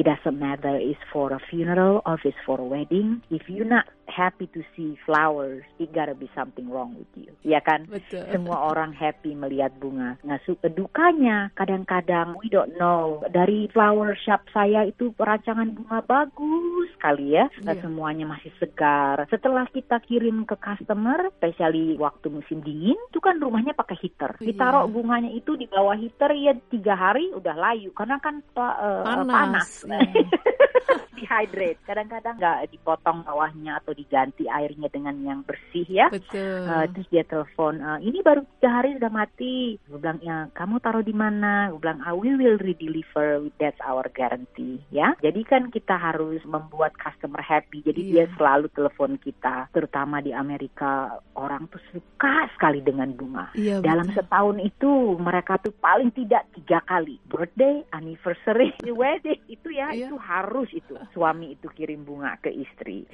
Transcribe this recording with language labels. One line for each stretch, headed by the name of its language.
English: It doesn't matter is for a funeral or is for a wedding. If you not happy to see flowers, it gotta be something wrong with you.
Indonesian: Ya kan? Betul. Semua orang happy melihat bunga. Nah, dukanya kadang-kadang
English: we don't know.
Indonesian: Dari flower shop saya itu perancangan bunga bagus sekali ya. Nah, semuanya masih segar. Setelah kita kirim ke customer, especially waktu musim dingin, itu kan rumahnya pakai heater. Ditaruh bunganya itu di bawah heater, ya 3 hari udah layu. Karena kan panas. Dehydrate. Kadang-kadang gak dipotong bawahnya atau diganti airnya dengan yang bersih ya. Betul. Terus dia telepon, ini baru 3 hari sudah mati. Gue bilang, ya, kamu taruh di mana? Gue bilang,
English: we will redeliver, that's our guarantee.
Indonesian: Ya. Jadi kan kita harus membuat customer happy. Jadi dia selalu telepon kita. Terutama di Amerika, orang tuh suka sekali dengan bunga. Iya, dalam setahun itu, mereka tuh paling tidak 3 kali. Birthday, anniversary, wedding. Itu ya, itu harus itu. Suami itu kirim bunga ke istri.